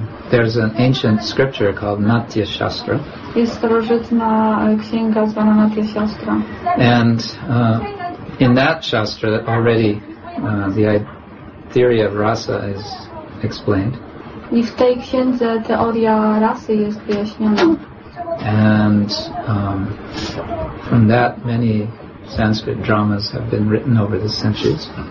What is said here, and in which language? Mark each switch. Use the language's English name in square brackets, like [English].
[English] There's an ancient scripture called Natya Shastra. [Polish] Jest starożytna księga zwana Natya Shastra. [English] And in that shastra already the theory of rasa is explained. [Polish] I w tej księdze teoria rasy jest wyjaśniona. [English] And from that many Sanskrit dramas have been written over the centuries.